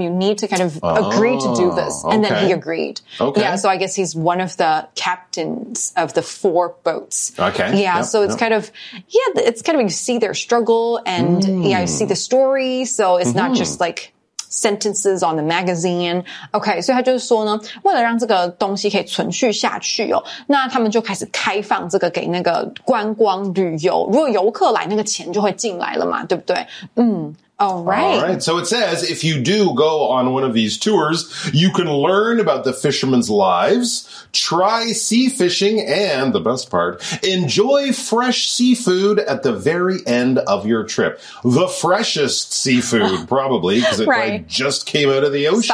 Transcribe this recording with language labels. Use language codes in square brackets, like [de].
[en] You need to kind of agree to do this. And then he agreed. Okay. Yeah, so I guess he's one of the captains of the four boats. Okay. Yeah, so it's kind of, you see their struggle and, you see the story, so it's not just like... sentences on the magazine. [zh] Okay, 所以他就是说呢，为了让这个东西可以存续下去哦，那他们就开始开放这个给那个观光旅游。如果游客来，那个钱就会进来了嘛，对不对？嗯 [en] All right. So it says, if you do go on one of these tours, you can learn about the fishermen's lives, try sea fishing, and the best part, enjoy fresh seafood at the very end of your trip. The freshest seafood, probably, because it like, just came out of the ocean.